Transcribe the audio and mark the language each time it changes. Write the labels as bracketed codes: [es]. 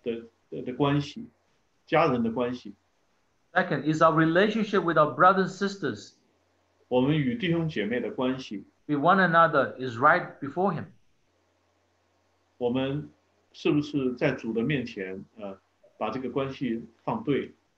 [zh] 就是第一个就是我们与我们家庭成员我们的关系，家人的关系。 [en] Second is our relationship with our brothers and sisters. [zh] 我们与弟兄姐妹的关系。 [en] With one another is right before him. [zh] 我们 是不是在主的面前把这个关系放对？